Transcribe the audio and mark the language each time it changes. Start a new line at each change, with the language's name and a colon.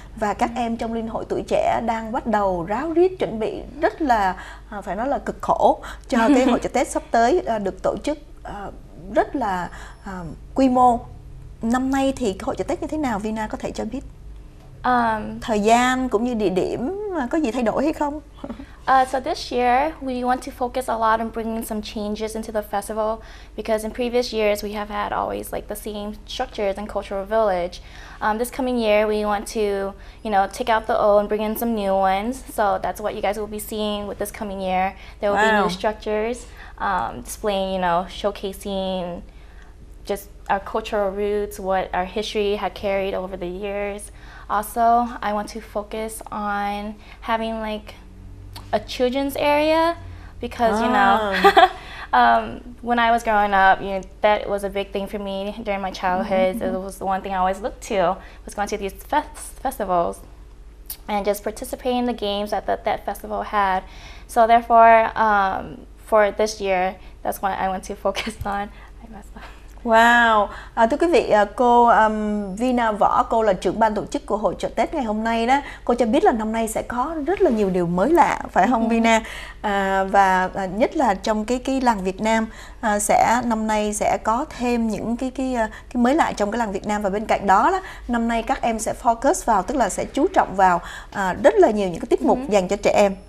Vietnamese: Và các em trong Liên hội Tuổi Trẻ đang bắt đầu ráo riết chuẩn bị rất là, phải nói là cực khổ cho cái hội chợ Tết sắp tới được tổ chức rất là quy mô. Năm nay thì cái hội chợ Tết như thế nào, Vina có thể cho biết? Thời gian cũng như địa điểm có gì thay đổi hay không?
English: So this year we want to focus a lot on bringing some changes into the festival because in previous years we have had always like the same structures and cultural village. This coming year we want to, you know, take out the old and bring in some new ones. So that's what you guys will be seeing with this coming year. There will be new structures, displaying, you know, showcasing just our cultural roots, what our history had carried over the years. Also, I want to focus on having like a children's area because, you know, when I was growing up, you know, that was a big thing for me during my childhood. Mm-hmm. It was the one thing I always looked to, was going to these festivals and just participating in the games that that festival had. So therefore, for this year, that's what I want to focus on. I messed up.
Vietnamese: Wow, thưa quý vị, cô Vina Võ, cô là trưởng ban tổ chức của hội chợ Tết ngày hôm nay đó. Cô cho biết là năm nay sẽ có rất là nhiều điều mới lạ, phải không Vina? Và nhất là trong cái làng Việt Nam, năm nay sẽ có thêm những cái mới lạ trong cái làng Việt Nam. Và bên cạnh đó, năm nay các em sẽ focus vào, tức là sẽ chú trọng vào rất là nhiều những cái tiết mục dành cho trẻ em.